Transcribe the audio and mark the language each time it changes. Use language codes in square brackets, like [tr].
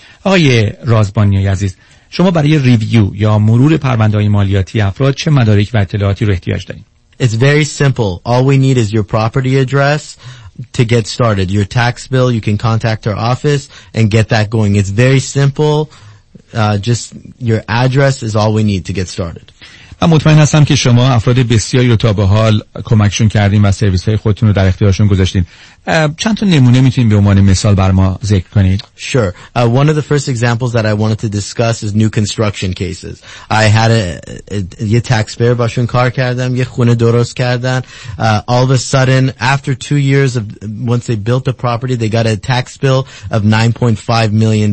[fa] آقای رازبانی عزیز، شما برای ریویو یا مرور پرونده‌های مالیاتی افراد چه مدارک و اطلاعاتی رو احتیاج دارین؟ [en] It's very simple. All we need is your property address to get started. Your tax bill, you can contact our office and get that going. It's very simple. Just your address is all we need to get started. [fa] من مطمئن هستم که شما افراد بسیاری رو تا به حال کمکشون کردین و سرویس های خودتون رو در اختیارشون گذاشتین. چند تا نمونه میتونین به عنوان مثال بر ما ذکر کنید؟ [en] Sure. One of the first examples that I wanted to discuss is new construction cases. I had a taxpayer [fa] باشون کار کردم، یه خونه درست کردن. [en] All of a sudden, after 2 years of once they built the property, they got a tax bill of $9.5 million.